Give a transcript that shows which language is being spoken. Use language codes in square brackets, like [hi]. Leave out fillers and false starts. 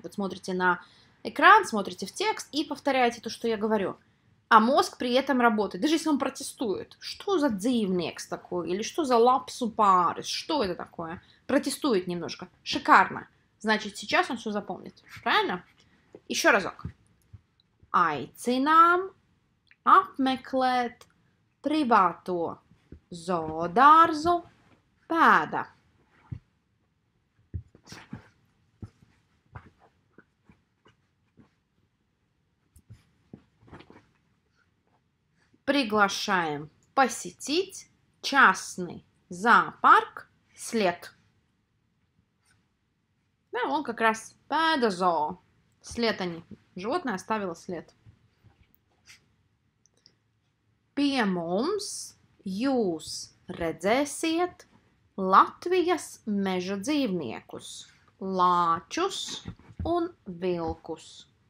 [ru] Вот смотрите на экран, смотрите в текст и повторяете то, что я говорю. А мозг при этом работает, даже если он протестует. Что за дзивнекс такой? Или что за лапсу парис? Что это такое? Протестует немножко. Шикарно. Значит, сейчас он все запомнит. Правильно? Еще разок. [lv] Aicinām apmeklēt privāto zoodārzu pēda. [ru] Приглашаем посетить частный зоопарк след. Да, он как раз педозо. След они. Животное оставило след. [lv] Pie mums jūs redzēsiet Latvijas meža dzīvniekus, lāčus un vilkus.